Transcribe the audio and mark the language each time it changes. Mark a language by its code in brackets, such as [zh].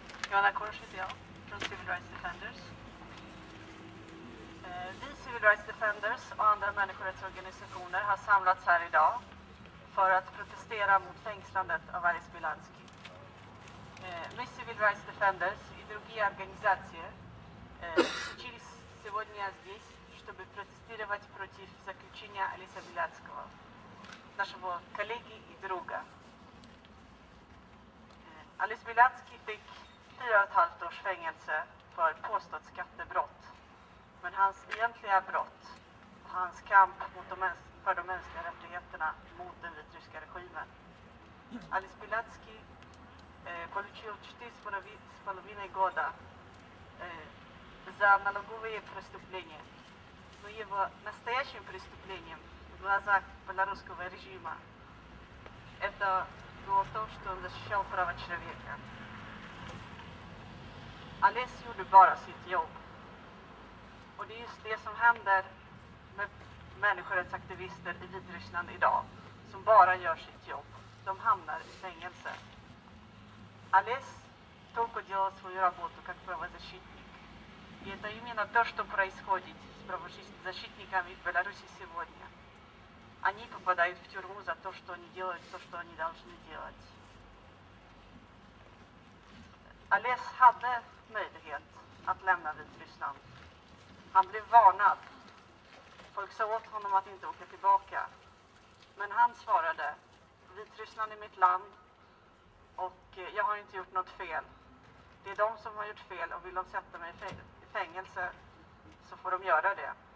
[sv] Joanna Kors heter jag, från Civil Rights Defenders. Vi Civil Rights Defenders och andra människorättsorganisationer har samlats här idag för att protestera mot fängslandet av Alice Bialyatsky. [ru] Мы Civil Rights Defenders и другие организации сегодня здесь, чтобы протестировать против заключения Алиса Бялятского, нашего коллеги и друга. [sv] Алис Бялятски fick 4,5 års fängelse för påstått skattebrott. Men hans egentliga brott och hans kamp mot för de mänskliga rättigheterna mot den vitryska regimen. [ru] Алис Бялятски получил 4,5 года за налоговые преступления. Но его настоящим преступлением в глазах белорусского режима это было то, что он защищал права человека. [sv] Алис gjorde bara sitt jobb. Och det är just det som händer med människorättsaktivister i Vitryssland idag, som bara gör sitt jobb. De hamnar i fängelse. [ru] Алис только делал свою работу как правозащитник. И это именно то, что происходит с правозащитниками в Беларуси сегодня. Они попадают в тюрьму за то, что они делают то, что они должны делать. [sv] Алис hade möjlighet att lämna Vitryssland. Han blev varnad. Folk sa åt honom att inte åka tillbaka. Men han svarade: Vitryssland är mitt land. Och jag har inte gjort något fel. Det är de som har gjort fel, och vill de sätta mig i fängelse så får de göra det.